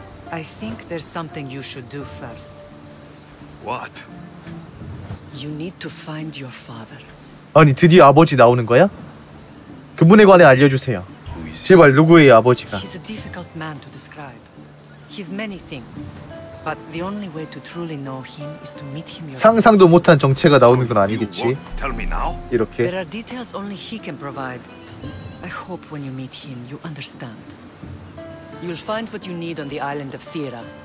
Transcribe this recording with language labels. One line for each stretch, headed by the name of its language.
English: I think there's something you should do first. What? You need to find your father.
Korean: 아니 드디어 아버지 나오는 거야? 그분에 관해 알려주세요. 제발 누구예요 아버지가?
English: He's a difficult man to describe. He's many things. But the only way to truly know him is to meet him yourself.
Korean: 상상도 못한 정체가 나오는 건 아니겠지?
English: Tell me now.
Korean: 이렇게.
English: There are details only he can provide. I hope when you meet him, you understand. You'll find what you need on the island of Thera.